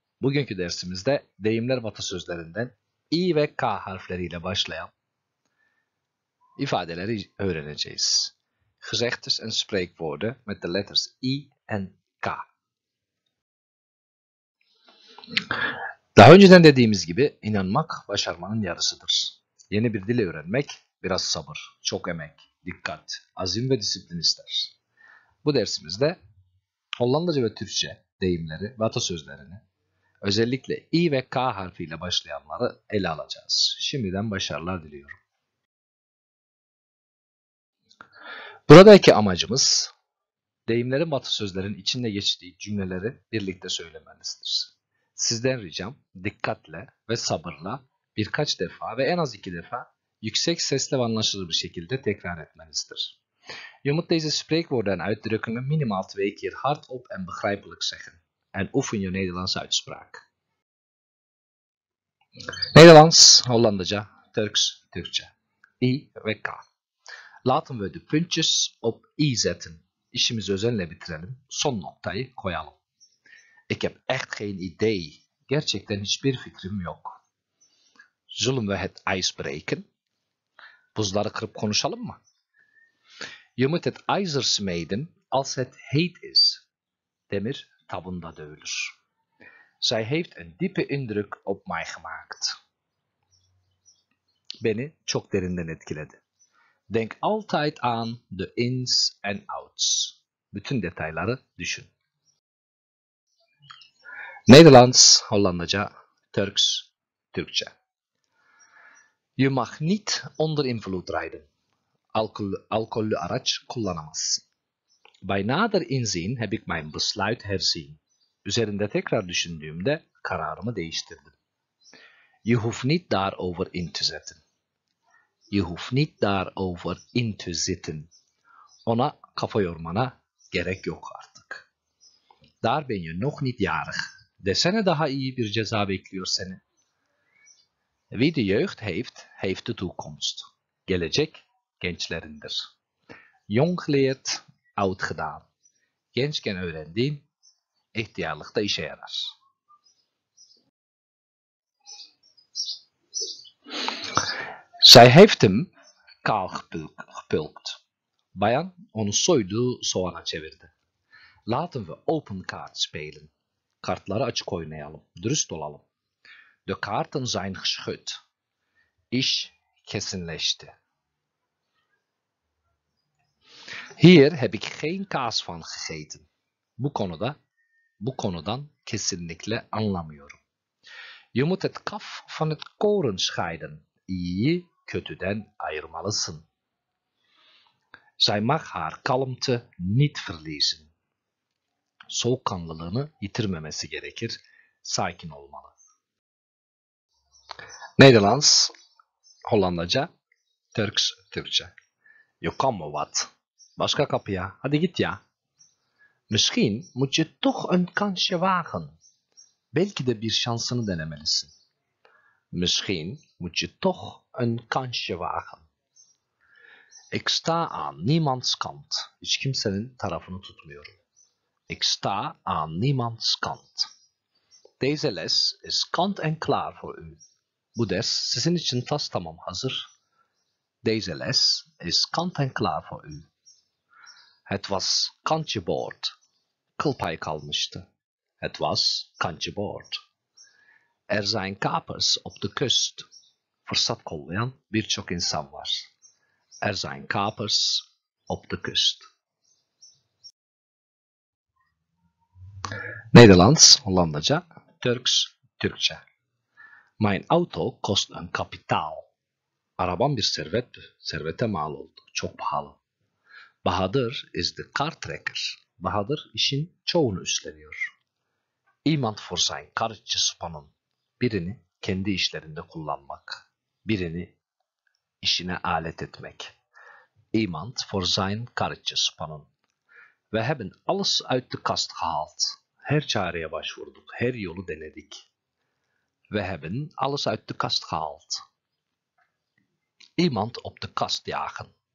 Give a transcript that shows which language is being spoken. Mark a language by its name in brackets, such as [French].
[Turkish] Bugünkü dersimizde deyimler ve atasözlerinden i ve k harfleriyle başlayan ifadeleri öğreneceğiz. [Dutch] Gezegdes en spreekwoorden met de letters i en k. [Turkish] Daha önceden dediğimiz gibi inanmak başarmanın yarısıdır. Yeni bir dil öğrenmek biraz sabır, çok emek, dikkat, azim ve disiplin ister. Bu dersimizde Hollandaca ve Türkçe deyimleri ve atasözlerini özellikle i ve k harfiyle başlayanları ele alacağız. Şimdiden başarılar diliyorum. Buradaki amacımız deyimlerin ve atasözlerin içinde geçtiği cümleleri birlikte söylemenizdir. Sizden ricam dikkatle ve sabırla birkaç defa ve en az iki defa yüksek sesle ve anlaşılır bir şekilde tekrar etmenizdir. [Dutch] Je moet deze spreekwoorden en uitdrukkingen minimaal twee keer hardop en begrijpelijk zeggen. En oefen je Nederlandse uitspraak. [Turkish] Nederlands, Hollandaca, Turks, Türkçe. I ve K. [Dutch] Laten we de puntjes op I zetten. [Turkish] İşimizi özenle bitirelim. Son noktayı koyalım. [Dutch] Ik heb echt geen idee. [Turkish] Gerçekten hiçbir fikrim yok. [Dutch] Zullen we het ijs breken? [Turkish] Buzları kırıp konuşalım mı? [Dutch] Je moet het ijzer smeden als het heet is. [Turkish] Demir tabunda dövülür. [Dutch] Zij heeft een diepe indruk op mij gemaakt. [Turkish] Beni çok derinden etkiledi. [Dutch] Denk altijd aan de ins en outs. [Turkish] Bütün detayları düşün. Nederlands, Hollandaca, Turks, Türkçe. [Dutch] Je mag niet onder invloed rijden. [Turkish] Alcohollü araç kullanamazsın. [Dutch] Bij nader inzien heb ik mijn besluit herzien. [Turkish] Üzerinde tekrar düşündüğümde kararımı değiştirdim. [Dutch] Je hoeft niet daarover in te zetten. Je hoeft niet daarover in te zitten. [Turkish] Ona kafa yormana gerek yok artık. [Dutch] Daar ben je nog niet jarig. [Turkish] Desene daha iyi bir ceza bekliyor seni. [Dutch] Wie de jeugd heeft, heeft de toekomst. [Turkish] Gelecek, gençlerindir. [Dutch] Jong geleerd, oud gedaan. [Turkish] Gençken öğrendiğin, ihtiyarlıkta işe yarar. [Dutch] Zij heeft hem kaal gepulkt. [Turkish] Bayan onu soydu, soğana çevirdi. [Dutch] Laten we open kaart spelen. [Turkish] Kartları açık oynayalım, dürüst olalım. [Dutch] De kaarten zijn geschud. [Turkish] İş kesinleşti. [Dutch] Hier heb ik geen kaas van gegeten. [Turkish] Bu konudan kesinlikle anlamıyorum. [Dutch] Je moet het kaf van het koren scheiden. [Turkish] İyiyi kötüden ayırmalısın. [Dutch] Zij mag haar kalmte niet verliezen. [Turkish] Soğukkanlılığını yitirmemesi gerekir. Sakin olmalı. [Dutch] Nederlands, Hollandaca, Turks, Türkçe. Je kan me wat. [Turkish] Başka kapıya, hadi git ya. [Dutch] Misschien moet je toch een kansje wagen. [Turkish] Belki de bir şansını denemelisin. [Dutch] Misschien moet je toch een kansje wagen. Ik sta aan niemands kant. [Turkish] Hiç kimsenin tarafını tutmuyorum. [Dutch] Ik sta aan niemands kant. Deze les is kant en klaar voor u. [Turkish] Bu ders sizin için tas tamam hazır. [Dutch] Deze les is kant en klaar voor u. Het was kantje boord. [Turkish] Kılpay kalmıştı. [Dutch] Het was kantje boord. Er zijn kapers op de kust. [Turkish] Fırsat kollayan birçok insan var. [Dutch] Er zijn kapers op de kust. Nederlands, Hollandaca, Turks, Türkçe. Mijn auto kost een kapitaal. [Turkish] Arabam bir servettü. Servete mal oldu. Çok pahalı. [English] Bahadır is the car tracker. [Turkish] Bahadır işin çoğunu üstleniyor. [Dutch] Iemand voor zijn karretje spannen. [Turkish] Birini kendi işlerinde kullanmak. Birini işine alet etmek. [Dutch] Iemand voor zijn karretje spannen. We hebben alles uit de kast gehaald. [Turkish] Her çareye başvurduk. Her yolu denedik. [Dutch] We hebben alles uit de kast gehaald. Iemand op de kast jagen.